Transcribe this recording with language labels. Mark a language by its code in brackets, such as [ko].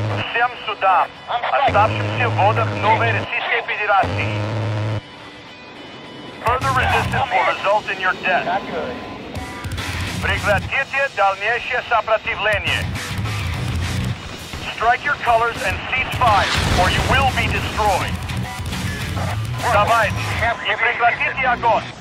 [ru] Всем судам, оставшимся в водах Новой Российской Федерации. [en] Further resistance will result in your death. [ru] Прекратите дальнейшее сопротивление. [en] Strike your colors and cease fire, or you will be destroyed. [ru] Давайте, и прекратите огонь.